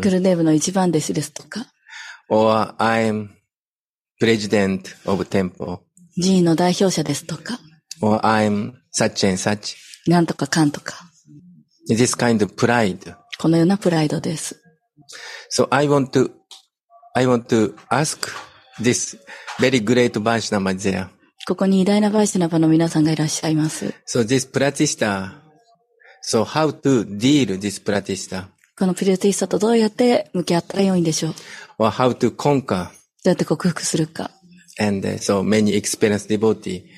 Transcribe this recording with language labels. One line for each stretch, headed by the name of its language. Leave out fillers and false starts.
Japanese: グルデーブの一番弟子ですとか。
English: Or I'm president of temple.
Japanese: 寺院の代表者ですとか。
English: Or I'm such and such.
Japanese: なんとかかんとか。
English: This kind of pride.
Japanese: このようなプライドです。
English: So I want to ask this very great Vaishnava there.
Japanese: ここに偉大なバイシナバの皆さんがいらっしゃいます。
English: So this pratishta,So how to deal this pratishta?
Japanese: このプラティスタとどうやって向き合ったらよいんでしょう
English: Or how to conquer?
Japanese: どうやって克服するか
English: And so many experienced devotees.